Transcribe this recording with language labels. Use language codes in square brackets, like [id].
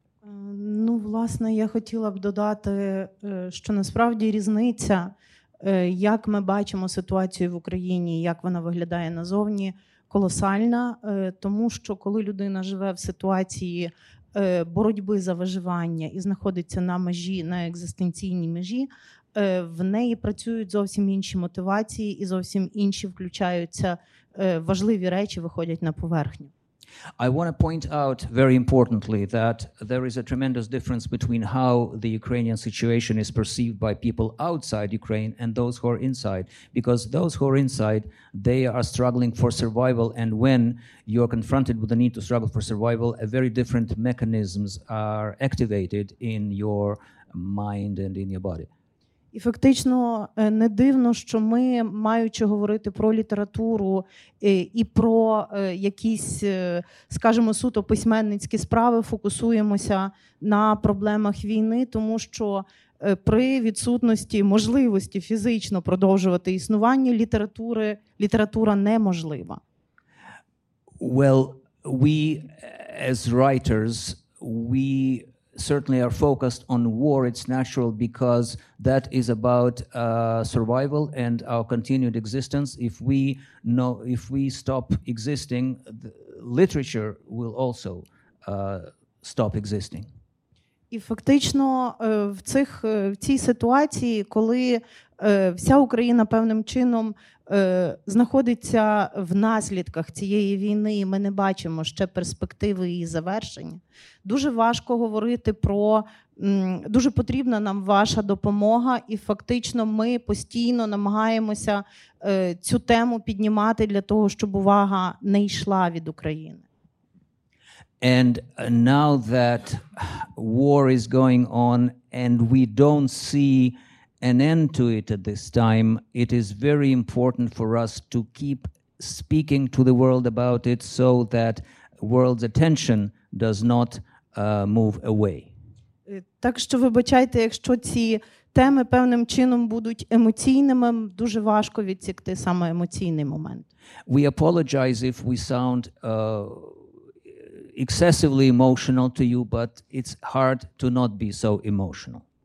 [uk] Ну, власне, я хотіла б додати, що насправді різниця, як ми бачимо ситуацію в Україні, як вона виглядає назовні, колосальна, тому що коли людина живе в ситуації боротьби за виживання і знаходиться на межі, на екзистенційній межі, в неї працюють зовсім інші мотивації і зовсім інші включаються важливі речі, виходять на поверхню. [en] I want to point out very importantly that there is a tremendous difference between how the Ukrainian situation is perceived by people outside Ukraine and those who are inside, because those who are inside, they are struggling for survival, and when you are confronted with the need to struggle for survival, a very different mechanisms are activated in your mind and in your body. [uk] І фактично не дивно, що ми, маючи говорити про літературу і про якісь, скажімо, суто письменницькі справи, фокусуємося на проблемах війни, тому що при відсутності можливості фізично продовжувати існування літератури, література неможлива. [en] Well, we as writers, we certainly are focused on war. It's natural because that is about survival and our continued existence. If we know, if we stop existing, the literature will also stop existing. [uk] І фактично в цих в цій ситуації, коли вся Україна певним чином знаходиться в наслідках цієї війни, і ми не бачимо ще перспективи її завершення, дуже важко говорити про, дуже потрібна нам ваша допомога, і фактично ми постійно намагаємося цю тему піднімати для того, щоб увага не йшла від України. [en] And now that war is going on and we don't see an end to it at this time, it is very important for us to keep speaking to the world about it so that world's attention does not move away. [uk] Так що вибачайте, якщо ці теми певним чином будуть емоційними, дуже важко відсікти саме емоційний момент. [en] We apologize if we sound excessively emotional to you, but it's hard to not be so emotional.